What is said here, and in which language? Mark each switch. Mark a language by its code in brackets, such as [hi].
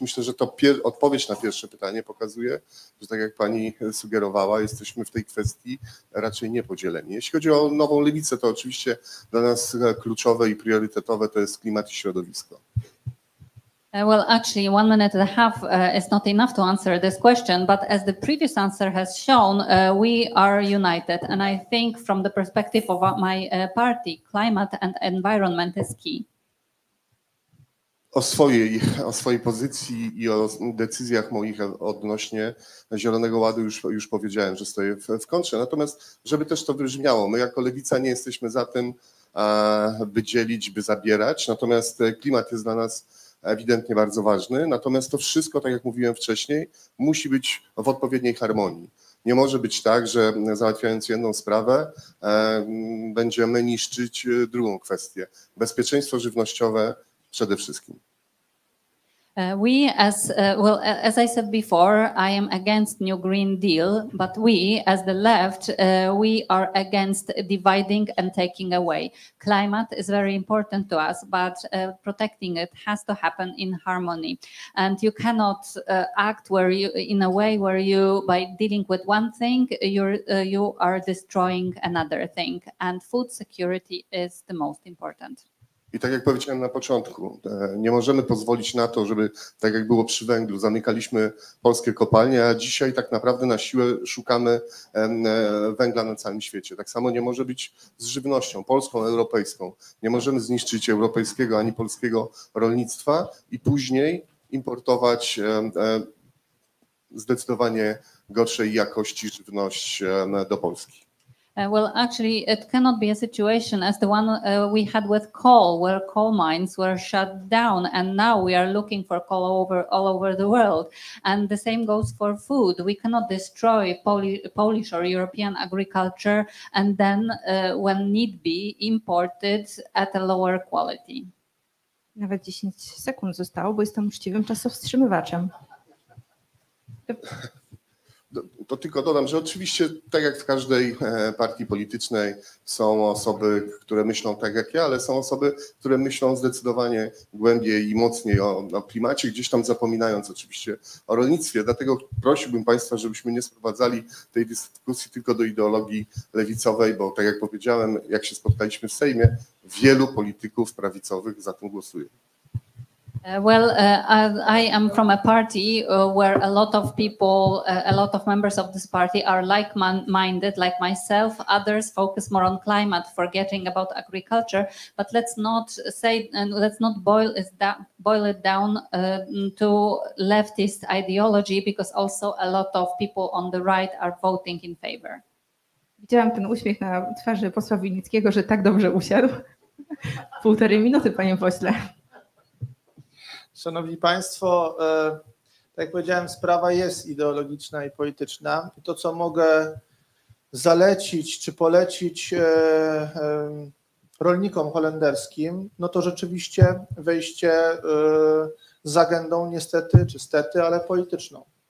[pl] Myślę, że to odpowiedź na pierwsze pytanie pokazuje, że tak jak pani sugerowała, jesteśmy w tej kwestii raczej niepodzieleni. Jeśli chodzi o Nową Lewicę, to oczywiście dla nas kluczowe i priorytetowe to jest klimat i środowisko. [en] Well, actually, 1 minute and a half is not enough to answer this question, but as the previous answer has shown, we are united. And I think from the perspective of my party, climate and environment is key. [pl] O swojej pozycji i o decyzjach moich odnośnie Zielonego Ładu już powiedziałem, że stoję w kontrze. Natomiast, żeby też to wybrzmiało, my jako Lewica nie jesteśmy za tym, by dzielić, by zabierać. Natomiast klimat jest dla nas ewidentnie bardzo ważny, natomiast to wszystko, tak jak mówiłem wcześniej, musi być w odpowiedniej harmonii. Nie może być tak, że załatwiając jedną sprawę, będziemy niszczyć drugą kwestię. Bezpieczeństwo żywnościowe przede wszystkim. [en] As I said before, I am against New Green Deal, but we, as the left, we are against dividing and taking away. Climate is very important to us, but protecting it has to happen in harmony. And you cannot act where you, in a way where you, by dealing with one thing, you are destroying another thing. And food security is the most important. [pl] I tak jak powiedziałem na początku, nie możemy pozwolić na to, żeby tak jak było przy węglu, zamykaliśmy polskie kopalnie, a dzisiaj tak naprawdę na siłę szukamy węgla na całym świecie. Tak samo nie może być z żywnością polską, europejską. Nie możemy zniszczyć europejskiego ani polskiego rolnictwa i później importować zdecydowanie gorszej jakości żywność do Polski. [en] Well, actually, it cannot be a situation as the one we had with coal, where coal mines were shut down, and now we are looking for coal all over the world. And the same goes for food. We cannot destroy Polish or European agriculture, and then, when need be, import it at a lower quality. [pl] Nawet 10 sekund zostało, bo jestem uczciwym czasowstrzymywaczem. To tylko dodam, że oczywiście tak jak w każdej partii politycznej są osoby, które myślą tak jak ja, ale są osoby, które myślą zdecydowanie głębiej i mocniej o klimacie, gdzieś tam zapominając oczywiście o rolnictwie. Dlatego prosiłbym Państwa, żebyśmy nie sprowadzali tej dyskusji tylko do ideologii lewicowej, bo tak jak powiedziałem, jak się spotkaliśmy w Sejmie, wielu polityków prawicowych za tym głosuje. [en] Well, I am from a party where a lot of people, a lot of members of this party are like-minded, like myself. Others focus more on climate, forgetting about agriculture. But let's not say, and let's not boil it down to leftist ideology, because also a lot of people on the right are voting in favor. [pl] Widziałam ten uśmiech na twarzy posła Winnickiego, że tak dobrze usiadł. Półtorej minuty, panie pośle. Szanowni Państwo, tak jak powiedziałem, sprawa jest ideologiczna i polityczna. To, co mogę zalecić czy polecić rolnikom holenderskim, no to rzeczywiście wejście z agendą niestety, czy stety, ale polityczną.